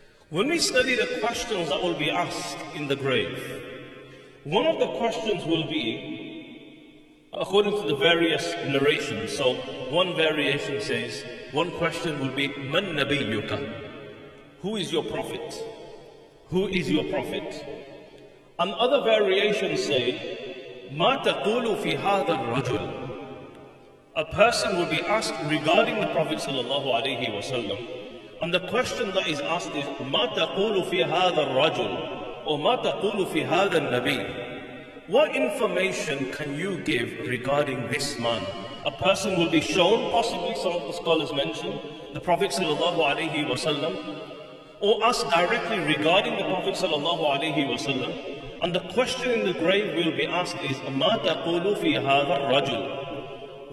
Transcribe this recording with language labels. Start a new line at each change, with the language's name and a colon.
English: When we study the questions that will be asked in the grave, one of the questions will be, according to the various narrations, so one variation says, one question will be,
Arabic: مَنْ نَبِيُّكَ?
English: Who is your prophet? Who is your prophet? And other variations say,
Arabic: مَا تَقُولُ فِي هَذَا الرَّجُلُ?
English: A person will be asked regarding the Prophet sallallahu alayhi wa sallam. And the question that is asked is,
Arabic: مَا تَقُولُ فِي هَذَا الرَّجُلُ? Or مَا تَقُولُ فِي هَذَا النَّبِيُّ?
English: What information can you give regarding this man? A person will be shown, possibly some of the scholars mentioned, the Prophet sallallahu alayhi wa sallam, or asked directly regarding the Prophet sallallahu alayhi wa sallam. And the question in the grave will be asked is,
Arabic: مَا تَقُولُ فِي هَذَا الرَّجُلُ?